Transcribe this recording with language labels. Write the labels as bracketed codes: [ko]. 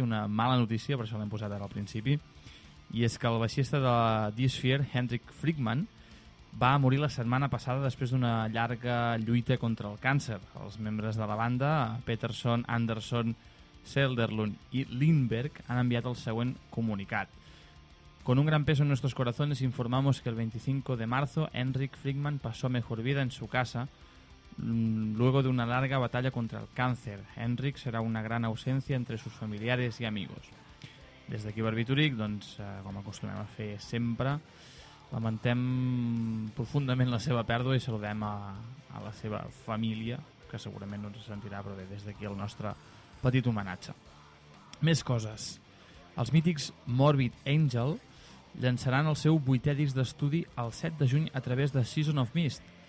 [ca] Una mala notícia, per això l'hem posat ara al principi. I és que el baixista de Disfear, Hendrik Frickman, va morir la setmana passada després d'una llarga lluita contra el càncer. Els membres de la banda, Peterson, Anderson, Selderlund i Lindberg, han enviat el següent comunicat. [es] Con un gran peso en nuestros corazones informamos que el 25 de marzo Hendrik Frickman pasó mejor vida en su casa luego de una larga batalla contra el cáncer. Hendrik será una gran ausencia entre sus familiares y amigos. [ca] Des d'aquí Barbituric, doncs, com acostumem a fer sempre, lamentem profundament la seva pèrdua i saludem a la seva família, que segurament no ens sentirà, però bé, des d'aquí el nostre petit homenatge. Més coses. Els mítics Morbid Angel llançaran el seu vuitè disc d'estudi el 7 de juny a través de Season of Mist.